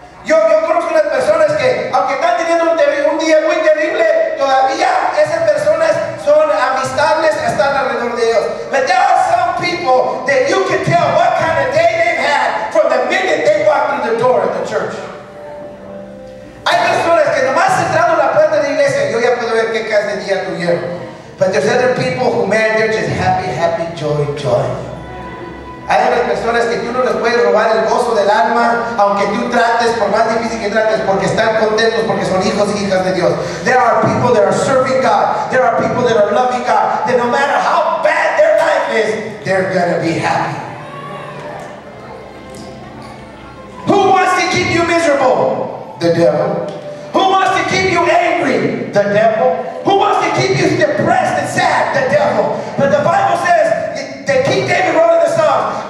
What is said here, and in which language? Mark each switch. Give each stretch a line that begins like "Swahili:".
Spanish: Yo conozco unas personas que, aunque están teniendo un día muy terrible, todavía esas personas son amistables, están alrededor de ellos.
English: But there are some people that you can tell what kind of day they've had from the minute they walked through the door of the church.
Spanish: Hay personas que nomás entrando a la puerta de la iglesia, yo ya puedo ver qué clase de día tuvieron.
English: But there's other people who, man, they're just happy, happy, joy, joy.
Spanish: Hay unas personas que tú no les puedes robar el gozo del alma, aunque tú trates, por más difícil que trates, porque están contentos, porque son hijos y hijas de Dios.
English: There are people that are serving God. There are people that are loving God. That no matter how bad their life is, they're going to be happy. Who wants to keep you miserable? The devil. Who wants to keep you angry? The devil. Who wants to keep you depressed and sad? The devil. But the Bible says, they keep David wrote in the Psalms,